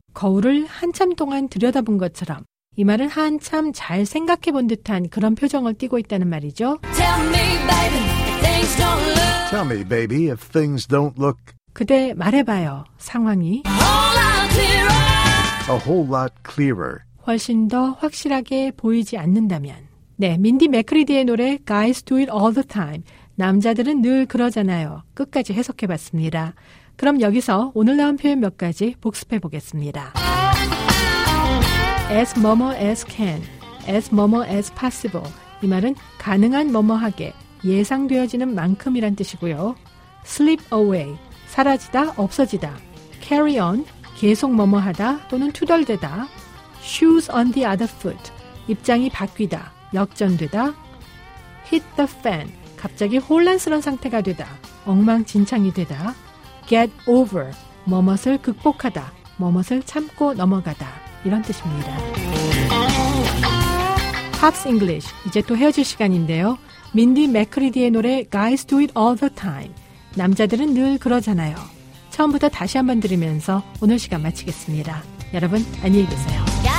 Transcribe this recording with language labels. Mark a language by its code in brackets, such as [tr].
[ko] 거울을 한참 동안 들여다본 것처럼 이 말은 한참 잘 생각해 본 듯한 그런 표정을 띠고 있다는 말이죠. [en] Tell me, baby, things don't look. Tell me, baby, if things don't look. [ko] 그대 말해봐요, 상황이. [en] A whole lot clearer. A whole lot clearer. [ko] 훨씬 더 확실하게 보이지 않는다면. 네, 민디 맥크리디의 노래 Guys Do It All The Time. 남자들은 늘 그러잖아요. 끝까지 해석해봤습니다. 그럼 여기서 오늘 나온 표현 몇 가지 복습해보겠습니다. [en] As 뭐뭐 as can, as 뭐뭐 as possible. [ko] 이 말은 가능한 뭐뭐하게, 예상되어지는 만큼이란 뜻이고요. Slip away, 사라지다, 없어지다. Carry on, 계속 뭐뭐하다 또는 투덜대다. [en] Shoes on the other foot, [ko] 입장이 바뀌다. 역전되다, hit the fan, 갑자기 혼란스러운 상태가 되다, 엉망진창이 되다, get over, 뭐뭇을 극복하다, 뭐뭇을 참고 넘어가다, 이런 뜻입니다. Pops English, 이제 또 헤어질 시간인데요. 민디 맥크리디의 노래 Guys Do It All The Time, 남자들은 늘 그러잖아요. 처음부터 다시 한번 들으면서 오늘 시간 마치겠습니다. 여러분, 안녕히 계세요.